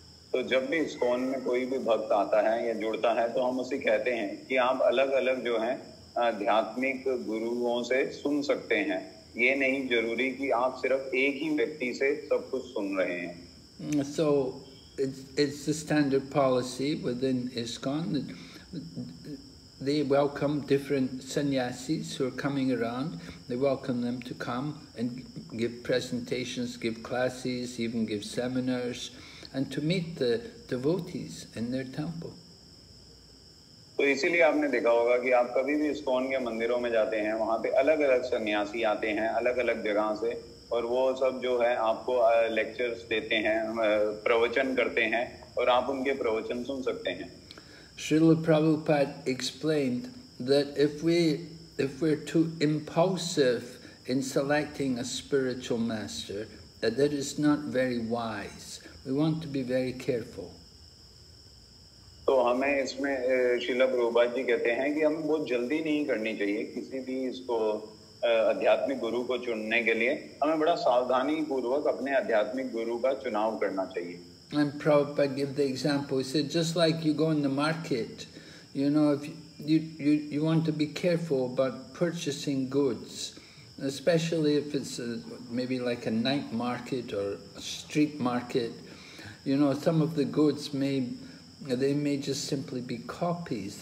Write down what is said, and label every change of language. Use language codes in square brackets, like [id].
[hi] So, जब भी ISKCON में कोई भी भक्त आता है या जुड़ता है, तो हम उसे कहते हैं कि आप अलग-अलग जो हैं आध्यात्मिक गुरुओं से सुन सकते हैं. ये नहीं जरूरी कि आप सिर्फ एक ही व्यक्ति से सब कुछ सुन रहे हैं. [en] So it's the standard policy within ISKCON that they welcome different sannyasis who are coming around. They welcome them to come and give presentations, give classes, even give seminars, and to meet the devotees in their temple. [hi] तो इसीलिए आपने देखा होगा कि आप कभी भी ISKCON के मंदिरों में जाते हैं, वहाँ पे अलग अलग सन्यासी आते हैं अलग अलग जगह से, और वो सब जो है आपको लेक्चर्स देते हैं, प्रवचन करते हैं, और आप उनके प्रवचन सुन सकते हैं. [en] Srila Prabhupada explained that if we're too impulsive in selecting a spiritual master, that is not very wise. We want to be very careful. [hi] तो हमें इसमें श्रील प्रभुपाद जी कहते हैं कि हमें बहुत जल्दी नहीं करनी चाहिए किसी भी इसको आध्यात्मिक गुरु को चुनने के लिए, हमें बड़ा सावधानी पूर्वक अपने आध्यात्मिक गुरु का चुनाव करना चाहिए. [en] And Prabhupada gave the example. He said, just like you go in the market, you know, if you want to be careful about purchasing goods, especially if it's maybe like a night market or a street market, you know, some of the goods may just simply be copies.